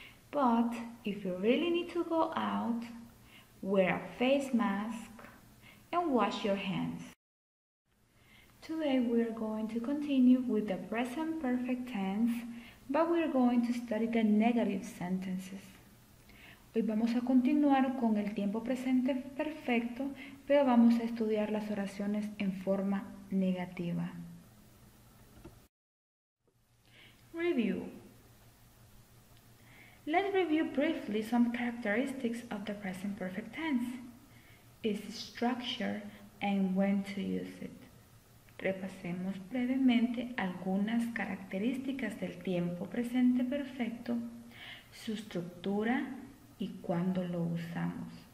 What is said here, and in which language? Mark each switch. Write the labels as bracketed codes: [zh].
[en] But if you really need to go out, wear a face mask and wash your hands. Today we are going to continue with the present perfect tense, but we are going to study the negative sentences. [es] Hoy vamos a continuar con el tiempo presente perfecto, pero vamos a estudiar las oraciones en forma negativa. [en] Review. Let's review briefly some characteristics of the present perfect tense, its structure, and when to use it. [es] Repasemos brevemente algunas características del tiempo presente perfecto, su estructura y cuándo lo usamos.